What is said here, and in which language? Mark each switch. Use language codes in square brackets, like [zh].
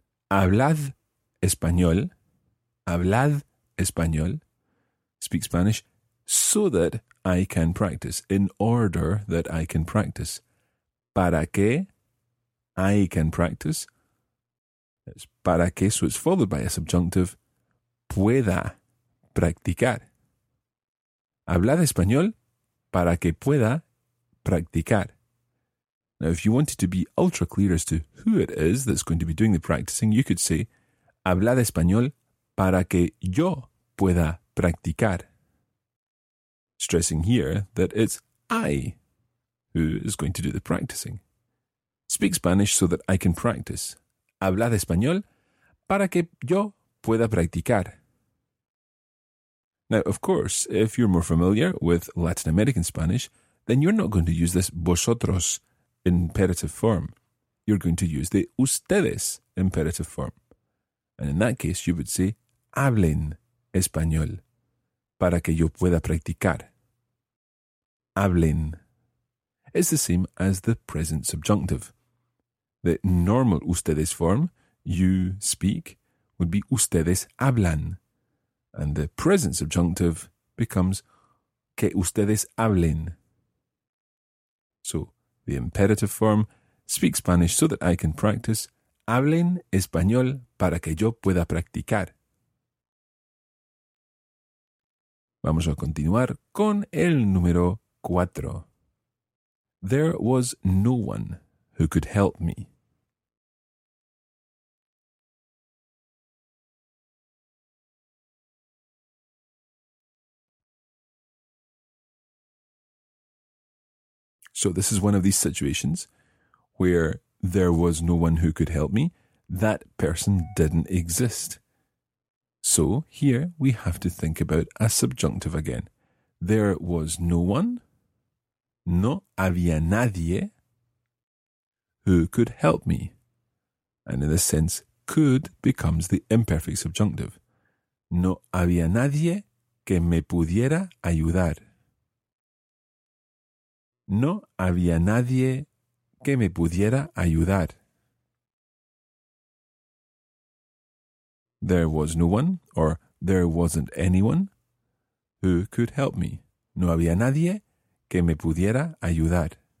[es] Hablad español. Hablad español. [en] Speak Spanish so that I can practice. In order that I can practice. [es] Para que [en] I can practice. It's para que, so it's followed by a subjunctive. [es] Pueda practicar. Hablad español para que pueda practicar. [en] Now, if you wanted to be ultra clear as to who it is that's going to be doing the practicing, you could say, [es] hablad español para que yo pueda practicar. [en] stressing here that it's I who is going to do the practicing. Speak Spanish so that I can practice. [es] Hablar español para que yo pueda practicar. [en] Now, of course, if you're more familiar with Latin American Spanish, then you're not going to use this vosotros imperative form. You're going to use the ustedes imperative form. And in that case, you would say, [es] hablen español para que yo pueda practicar. [en] Hablen. It's the same as the present subjunctive. The normal ustedes form, you speak, would be [es] ustedes hablan. [en] And the present subjunctive becomes [es] que ustedes hablen. [en] So, the imperative form, speak Spanish so that I can practice. Hablen español para que yo pueda practicar. [es] Vamos a continuar con el número 4. [en] There was no one who could help me. So this is one of these situations where there was no one who could help me. That person didn't exist. So here we have to think about a subjunctive again. There was no one, [es] no había nadie, [en] who could help me. And in this sense, could becomes the imperfect subjunctive. [es] No había nadie que me pudiera ayudar. No había nadie que me pudiera ayudar. [en] There was no one, or there wasn't anyone, who could help me. [es] No había nadie que me pudiera ayudar.